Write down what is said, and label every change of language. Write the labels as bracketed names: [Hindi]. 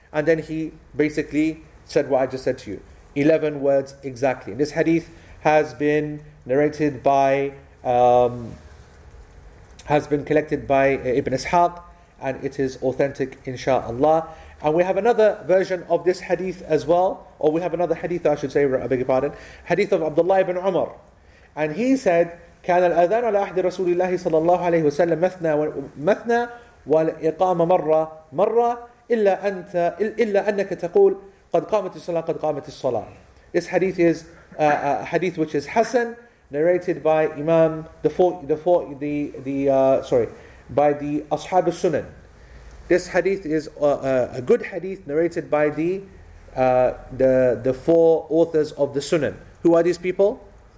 [English] And then he basically said what I just said to you. 11 words exactly. And this hadith has been narrated by, has been collected by Ibn Ishaq, and it is authentic, inshallah. And we have another version of this hadith as well. Or we have another hadith, I should say, I beg your pardon. Hadith of Abdullah ibn Umar. And he said, [Arabic] كان الأذان على أحد رسول الله صلى الله عليه وسلم مثنى مثنى والإقامة مرة مرة إلا أنت إلا أنك تقول قد قامت الصلاة قد قامت الصلاة. [English] This hadith is a hadith which is Hassan, narrated by Imam by the Ashab al-Sunan. This hadith is a good hadith narrated by the four authors of the Sunan. Who are these people?